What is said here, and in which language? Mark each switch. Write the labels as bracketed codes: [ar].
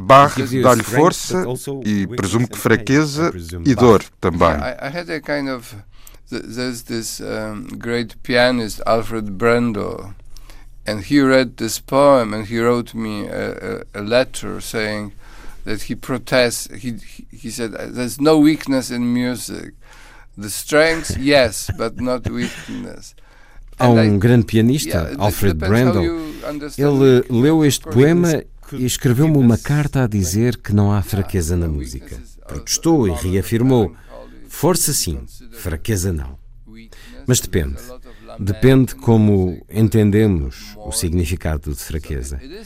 [pt] Bach dá-lhe força e presumo que fraqueza e dor também. [en] I had a kind of there's this great pianist Alfred Brendel, and he read this poem and he wrote me a letter saying that he protests. He said there's no weakness in music. The strength, yes, but not weakness. [pt] Há um grande pianista, Alfred Brendel. Ele leu este poema e escreveu-me uma carta a dizer que não há fraqueza na música. Protestou e reafirmou: força sim, fraqueza não. Mas depende. Depende como entendemos o significado de fraqueza.